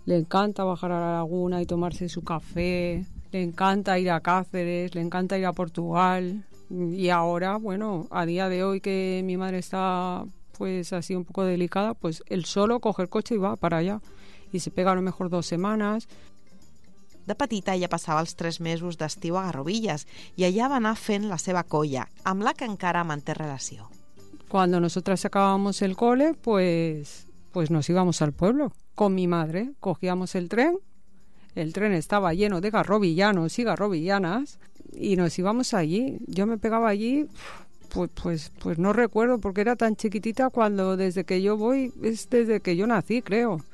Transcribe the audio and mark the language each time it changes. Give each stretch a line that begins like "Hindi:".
Spanish: Le encanta bajar a la laguna y tomarse su café. Le encanta ir a Cáceres, le encanta ir a Portugal. Y ahora, bueno, a día de hoy que mi madre está pues así un poco delicada, pues él solo coge el coche y va para allá. Y se pega a lo mejor dos semanas.
Catalan: De petita ja passava els 3 mesos d'estiu a Garrovilles i allà va anar fent la seva colla, amb la que encara manté relació.
Spanish: cuando nosotras acabábamos el cole, pues nos íbamos al pueblo con mi madre. Cogíamos el tren. El tren estaba lleno de garrobillanos y garrobillanas y nos íbamos allí. Yo me pegaba allí, pues no recuerdo porque era tan chiquitita cuando desde que yo voy, es desde que yo nací, creo.